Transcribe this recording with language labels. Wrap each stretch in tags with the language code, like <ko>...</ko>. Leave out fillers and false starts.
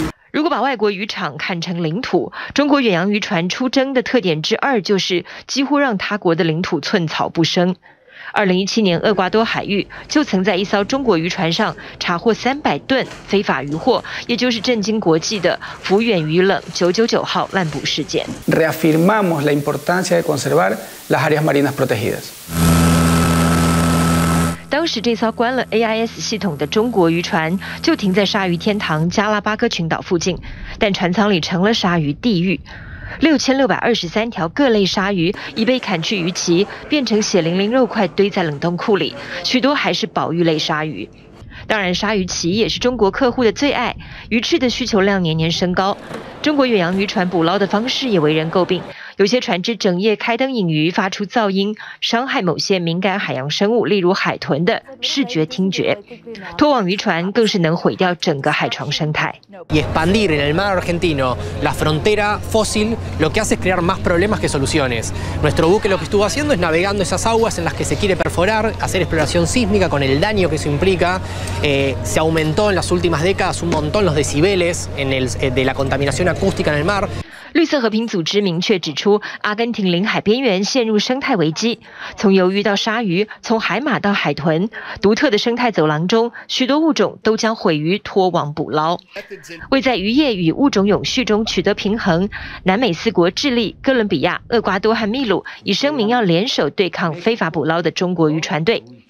<zh>如果把外国渔场看成领土，中国远洋渔船出征的特点之二就是几乎让他国的领土寸草不生。 2017年，厄瓜多海域就曾在一艘中国渔船上查获300吨非法渔获，也就是震惊国际的福远渔冷999号滥捕事件。</zh> <es>Reafirmamos la importancia de conservar las áreas marinas protegidas.</es> <zh>当时这艘关了 AIS 系统的中国渔船就停在鲨鱼天堂加拉巴哥群岛附近，但船舱里成了鲨鱼地狱。 6623条各类鲨鱼已被砍去鱼鳍，变成血淋淋肉块堆在冷冻库里，许多还是保育类鲨鱼。当然，鲨鱼鳍也是中国客户的最爱，鱼翅的需求量年年升高。中国远洋渔船捕捞的方式也为人诟病，有些船只整夜开灯引鱼，发出噪音，伤害某些敏感海洋生物，例如海豚的视觉听觉。拖网渔船更是能毁掉整个海床生态。</zh> <es>Y expandir en el mar argentino la frontera fósil lo que hace es crear más problemas que soluciones. Nuestro buque lo que estuvo haciendo es navegando esas aguas en las que se quiere perforar, hacer exploración sísmica con el daño que eso implica. Se aumentó en las últimas décadas un montón los decibeles en el, de la contaminación acústica en el mar.</es> <zh>绿色和平组织明确指出，阿根廷领海边缘陷入生态危机，从鱿鱼到鲨鱼，从海马到海豚，独特的生态走廊中，许多物种都将毁于拖网捕捞。为在渔业与物种永续中取得平衡，南美四国智利、哥伦比亚、厄瓜多和秘鲁已声明要联手对抗非法捕捞的中国渔船队。</zh>